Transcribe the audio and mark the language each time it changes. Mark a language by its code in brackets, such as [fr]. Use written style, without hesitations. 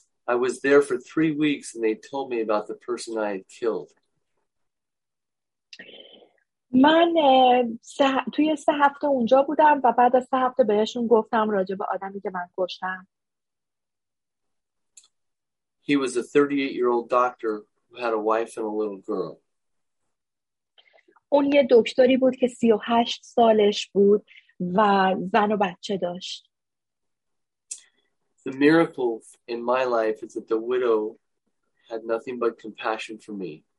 [en] I was there for 3 weeks and they told me about the person I had killed. [fa] من توی 3 هفته اونجا بودم و بعد از 3 هفته بهشون گفتم راجع به آدمی که من کشتم. [en] He was a 38-year-old doctor who had a wife and a little girl. [fa] اون یه دکتری بود که 38 سالش بود و زن و بچه داشت. [en] The miracle in my life is that the widow had nothing but compassion for me.